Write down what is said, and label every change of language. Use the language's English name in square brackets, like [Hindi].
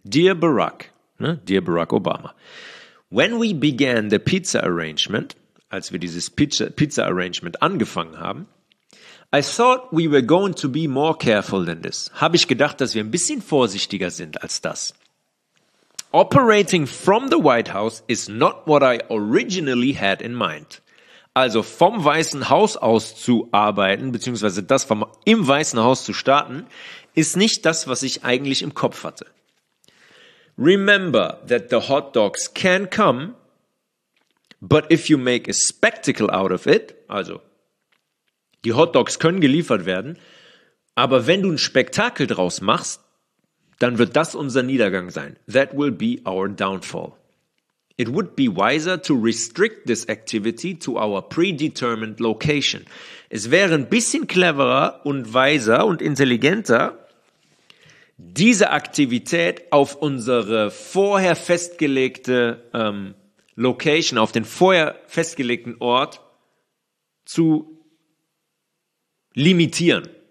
[English] Dear Barack Obama. When we began the pizza arrangement, [German] als wir dieses Pizza Arrangement angefangen haben, [English] I thought we were going to be more careful than this. [German] Habe ich gedacht, dass wir ein bisschen vorsichtiger sind als das. [English] Operating from the White House is not what I originally had in mind. [German] Also vom Weißen Haus aus zu arbeiten, beziehungsweise das vom im Weißen Haus zu starten, ist nicht das, was ich eigentlich im Kopf hatte. [English] Remember that the hot dogs can come, but if you make a spectacle out of it, [German] also die Hot Dogs können geliefert werden, aber wenn du ein Spektakel draus machst, dann wird das unser Niedergang sein. [English] That will be our downfall. It would be wiser to restrict this activity to our predetermined location. [German] Es wäre ein bisschen cleverer und weiser und intelligenter, diese Aktivität auf unsere vorher festgelegte Location, auf den vorher festgelegten Ort zu limitieren.